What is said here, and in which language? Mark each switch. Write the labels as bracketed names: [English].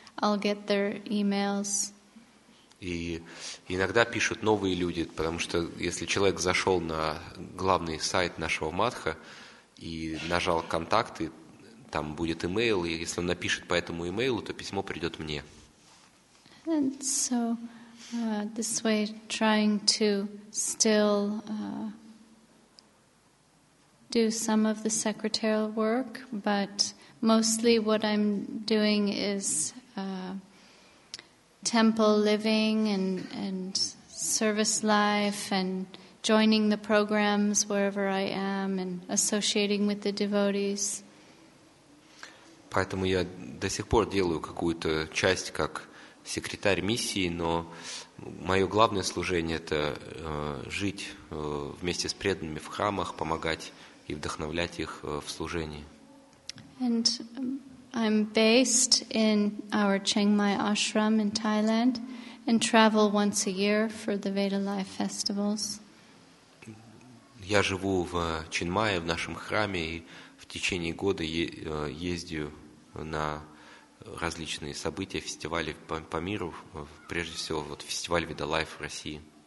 [English] I'll get their emails. [Russian] И иногда пишут новые люди, потому что если человек зашел на главный сайт нашего матха и нажал контакты, там будет email, и если он напишет по этому email, то письмо придет мне. [English] And so this way, trying to still do some of the secretarial work, but mostly what I'm doing is temple living and service life and joining the programs wherever I am and associating with the devotees. [Russian] Поэтому я до сих пор делаю какую-то часть как секретарь миссии, но мое главное служение – это жить вместе с преданными в храмах, помогать и вдохновлять их в служении. [English] And I'm based in our Chiang Mai ashram in Thailand and travel once a year for the Veda Life festivals. [Russian] Я живу в Чинмае, в нашем храме, и в течение года ездию на различные события, фестивали по миру, прежде всего вот фестиваль Veda Life в России.